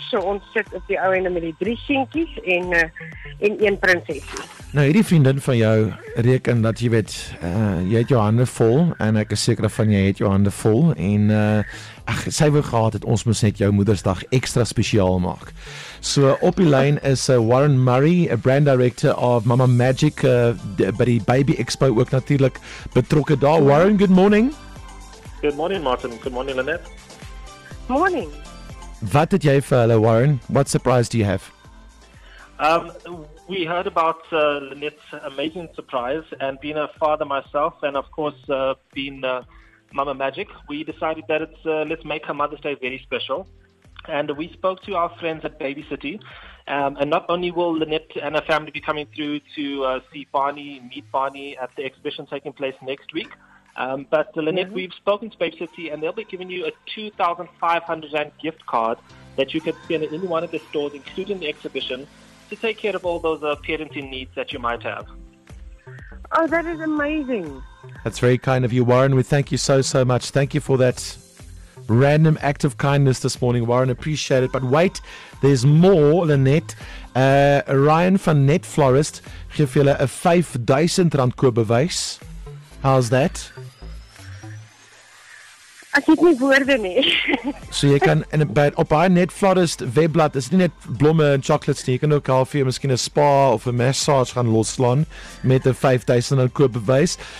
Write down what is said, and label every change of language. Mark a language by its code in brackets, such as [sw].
[af] So ons sit op die ou ende met die 3 sinkies en 1 prinsesie. Nou, hierdie vriendin van jou reken dat jy weet, jy het jou hande vol en ek is seker van jy het jou hande vol en sy wou gehad het ons moes net jou moedersdag extra speciaal maak. So, op die lijn is Warren Murray, [en] a brand director of Mama Magic, [af] by die Baby Expo ook natuurlijk betrokken daar. [en] Warren, good morning. Good morning, Martin. Good morning, Lynette. Morning. [af] Wat het jy vir hulle, Warren? [en] What surprise do you have? We heard about Lynette's amazing surprise, and being a father myself, and of course being Mama Magic, we decided that it's let's make her Mother's Day very special. And we spoke to our friends at Baby City, and not only will Lynette and her family be coming through to see Barney, meet Barney at the exhibition taking place next week, but Lynette, mm-hmm. we've spoken to Baby City, and they'll be giving you a 2,500 rand gift card that you can spend in any one of the stores, including the exhibition, to take care of all those parenting needs that you might have. Oh, that is amazing. That's very kind of you, Warren. We thank you so, so much. Thank you for that random act of kindness this morning, Warren. Appreciate it. But wait, there's more, Lynette. [af] Ryan van Net Florist geef julle 'n 5,000 rand koopbewys. [en] How's that? [af] Ek het nie woorde nie. So jy kan op haar Net Florist webblad, is nie net blomme en chocolates nie, jy kan ook al vir jy miskien 'n spa of 'n massage gaan loslaan met 'n 5,000 rand koopbewys.